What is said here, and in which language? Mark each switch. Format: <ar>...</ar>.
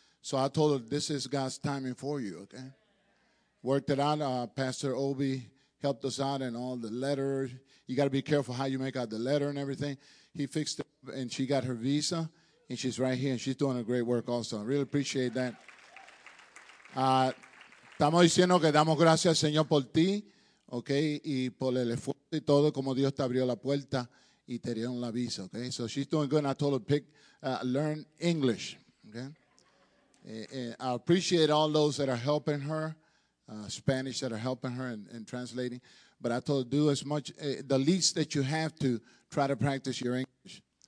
<en>So I told her, this is God's timing for you, okay? Worked it out. Pastor Obi helped us out and all the letters. You got to be careful how you make out the letter and everything. He fixed it, and she got her visa, and she's right here, and she's doing a great work also. I really appreciate that.</en> <es>Estamos diciendo que damos gracias, Señor, por ti, okay, y por el esfuerzo y todo, como Dios te abrió la puerta y te dieron la visa, okay?</es> <en>So she's doing good, and I told her, learn English, okay? And I appreciate all those that are helping her, Spanish that are helping her and translating, but I told her, do as much, the least that you have to try to practice your English.</en>